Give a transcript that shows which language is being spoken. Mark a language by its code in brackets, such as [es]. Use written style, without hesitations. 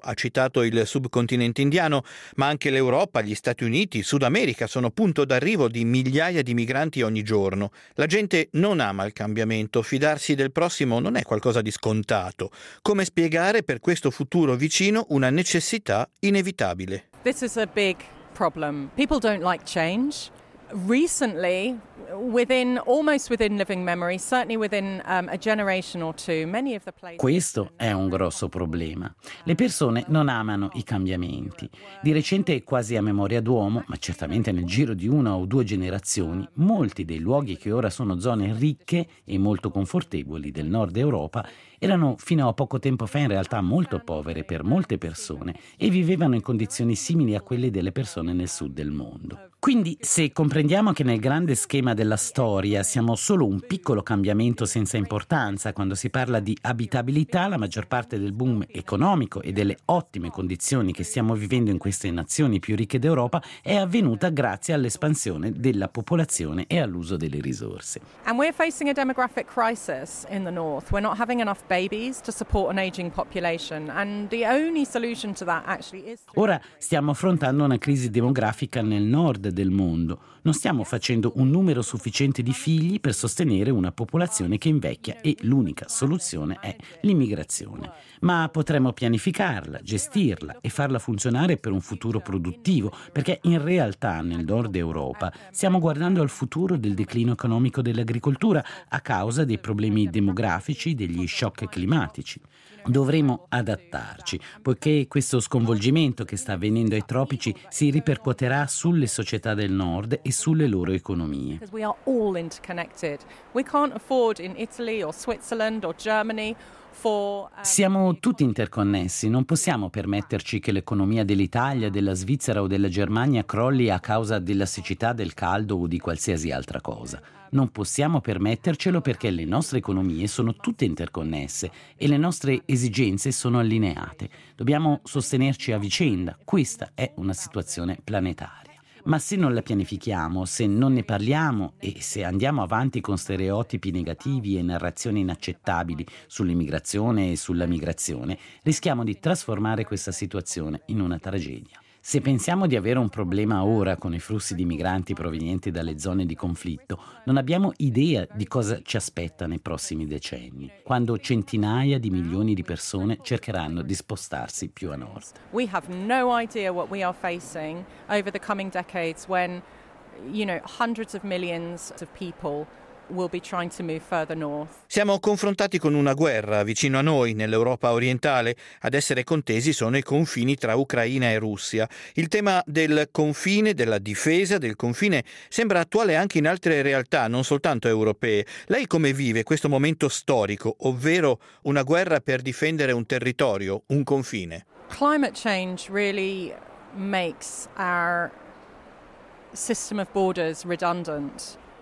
[it] Ha citato il subcontinente indiano, ma anche l'Europa, gli Stati Uniti, Sud America sono punto d'arrivo di migliaia di migranti ogni giorno. La gente non ama il cambiamento, fidarsi del prossimo non è qualcosa di scontato. Come spiegare per questo futuro vicino una necessità inevitabile? [en] This is a big problem. People don't like change. Recently, almost within living memory, certainly within a generation or two, many of the places. [it] Questo è un grosso problema. Le persone non amano i cambiamenti. Di recente, quasi a memoria d'uomo, ma certamente nel giro di una o due generazioni, molti dei luoghi che ora sono zone ricche e molto confortevoli del nord Europa erano fino a poco tempo fa in realtà molto povere per molte persone e vivevano in condizioni simili a quelle delle persone nel sud del mondo. Quindi, se comprendiamo che nel grande schema della storia siamo solo un piccolo cambiamento senza importanza, quando si parla di abitabilità, la maggior parte del boom economico e delle ottime condizioni che stiamo vivendo in queste nazioni più ricche d'Europa è avvenuta grazie all'espansione della popolazione e all'uso delle risorse. [en] And we're facing a demographic crisis in the north. We're not having enough babies to support an aging population. And the only solution to that actually is. [it] Ora stiamo affrontando una crisi demografica nel nord del mondo. Non stiamo facendo un numero sufficiente di figli per sostenere una popolazione che invecchia e l'unica soluzione è l'immigrazione. Ma potremmo pianificarla, gestirla e farla funzionare per un futuro produttivo, perché in realtà nel nord Europa stiamo guardando al futuro del declino economico dell'agricoltura a causa dei problemi demografici, degli shock climatici. Dovremo adattarci, poiché questo sconvolgimento che sta avvenendo ai tropici si ripercuoterà sulle società del nord e sulle loro economie. [en] We are all interconnected. We can't afford in Italy or Switzerland or Germany. [it] Siamo tutti interconnessi, non possiamo permetterci che l'economia dell'Italia, della Svizzera o della Germania crolli a causa della siccità, del caldo o di qualsiasi altra cosa. Non possiamo permettercelo perché le nostre economie sono tutte interconnesse e le nostre esigenze sono allineate. Dobbiamo sostenerci a vicenda, questa è una situazione planetaria. Ma se non la pianifichiamo, se non ne parliamo e se andiamo avanti con stereotipi negativi e narrazioni inaccettabili sull'immigrazione e sulla migrazione, rischiamo di trasformare questa situazione in una tragedia. Se pensiamo di avere un problema ora con i flussi di migranti provenienti dalle zone di conflitto, non abbiamo idea di cosa ci aspetta nei prossimi decenni, quando centinaia di milioni di persone cercheranno di spostarsi più a nord. [en] We have no idea what we are facing over the coming decades when, you know, hundreds of millions of people will be trying to move further north. [it] Siamo confrontati con una guerra vicino a noi, nell'Europa orientale. Ad essere contesi sono i confini tra Ucraina e Russia. Il tema del confine, della difesa del confine, sembra attuale anche in altre realtà, non soltanto europee. Lei come vive questo momento storico, ovvero una guerra per difendere un territorio, un confine? [en] Climate change really makes our system of borders redundant.